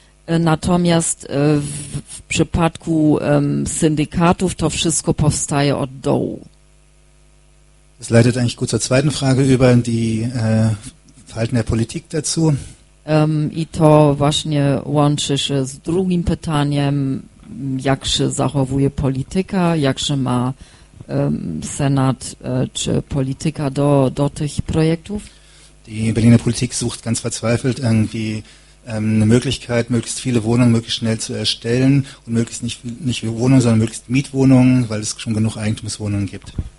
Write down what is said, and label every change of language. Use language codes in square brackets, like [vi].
[pl] Natomiast w przypadku syndykatów to wszystko powstaje od dołu. [de] Das leitet eigentlich gut zur zweiten Frage über die Verhalten der Politik dazu. [pl] I to właśnie łączy się z drugim pytaniem, jak się zachowuje polityka, jak się ma Senat czy polityka do tych projektów? [de] Die Berliner Politik sucht ganz verzweifelt irgendwie eine Möglichkeit, möglichst viele Wohnungen möglichst schnell zu erstellen und möglichst nicht Wohnungen, sondern möglichst Mietwohnungen, weil es schon genug Eigentumswohnungen gibt.